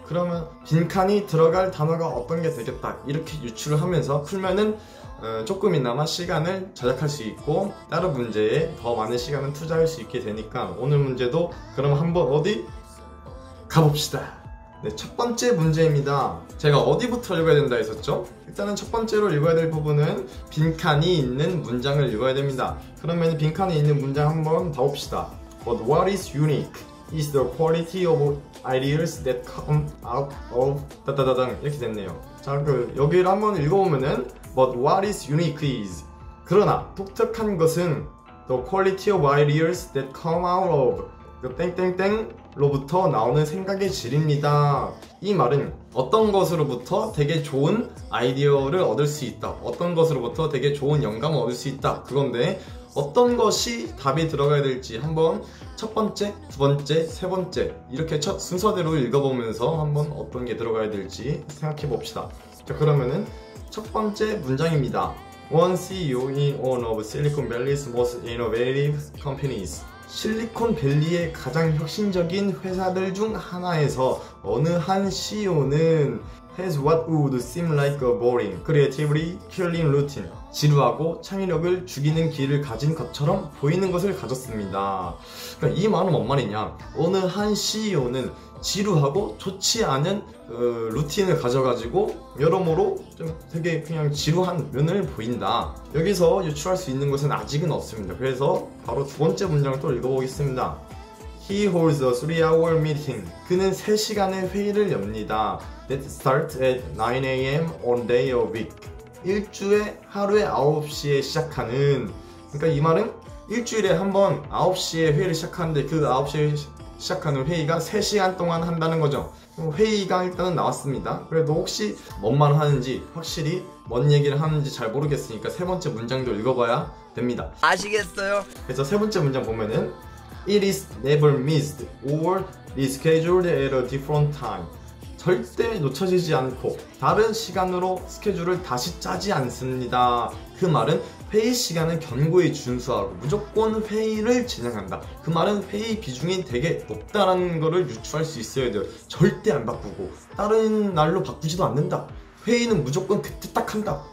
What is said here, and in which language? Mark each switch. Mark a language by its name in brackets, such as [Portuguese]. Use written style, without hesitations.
[Korean] 그러면 빈칸이 들어갈 단어가 어떤 게 되겠다 이렇게 유추를 하면서 풀면은 조금이나마 시간을 절약할 수 있고 다른 문제에 더 많은 시간을 투자할 수 있게 되니까 오늘 문제도 그럼 한번 어디 가봅시다. 네, 첫 번째 문제입니다. 제가 어디부터 읽어야 된다 했었죠? 일단은 첫 번째로 읽어야 될 부분은 빈칸이 있는 문장을 읽어야 됩니다. 그러면 빈칸이 있는 문장 한번 더 봅시다. [English] But what is unique? Is the quality of ideas that come out of [Korean] 따따따당 이렇게 됐네요. 자, 그 여기를 한번 읽어보면은 [English] But what is unique is [Korean] 그러나 독특한 것은 [English] The quality of ideas that come out of [Korean] 그 땡땡땡로부터 나오는 생각의 질입니다. 이 말은 어떤 것으로부터 되게 좋은 아이디어를 얻을 수 있다, 어떤 것으로부터 되게 좋은 영감을 얻을 수 있다 그건데 어떤 것이 답이 들어가야 될지 한번 첫 번째, 두 번째, 세 번째 이렇게 첫 순서대로 읽어보면서 한번 어떤 게 들어가야 될지 생각해 봅시다. 자, 그러면은 첫 번째 문장입니다. [English] One CEO in one of Silicon Valley's most innovative companies. [Korean] 실리콘밸리의 가장 혁신적인 회사들 중 하나에서 어느 한 CEO는 [English] has what would seem like a boring, creatively killing routine. [Korean] 지루하고 창의력을 죽이는 길을 가진 것처럼 보이는 것을 가졌습니다. 그러니까 이 말은 뭔 말이냐? 어느 한 CEO는 지루하고 좋지 않은 루틴을 가져가지고 여러모로 좀 되게 그냥 지루한 면을 보인다. 여기서 유추할 수 있는 것은 아직은 없습니다. 그래서 바로 두 번째 문장을 또 읽어보겠습니다. [English] He holds a 3-hour meeting. [Korean] 그는 3시간의 회의를 엽니다. [English] That starts at 9 AM on day a week. [Korean] 일주에 하루에 9시에 시작하는, 그러니까 이 말은 일주일에 한번 9시에 회의를 시작하는데 그 9시에 시작하는 회의가 3시간 동안 한다는 거죠. 회의가 일단은 나왔습니다. 그래도 혹시 뭔 말을 하는지 확실히 뭔 얘기를 하는지 잘 모르겠으니까 세 번째 문장도 읽어봐야 됩니다. 아시겠어요? 그래서 세 번째 문장 보면은 [English] It is never missed or rescheduled at a different time. [Korean] 절대 놓쳐지지 않고 다른 시간으로 스케줄을 다시 짜지 않습니다. 그 말은 회의 시간은 견고히 준수하고 무조건 회의를 진행한다. 그 말은 회의 비중이 되게 높다라는 거를 유추할 수 있어야 돼요. 절대 안 바꾸고 다른 날로 바꾸지도 않는다. 회의는 무조건 그때 딱 한다.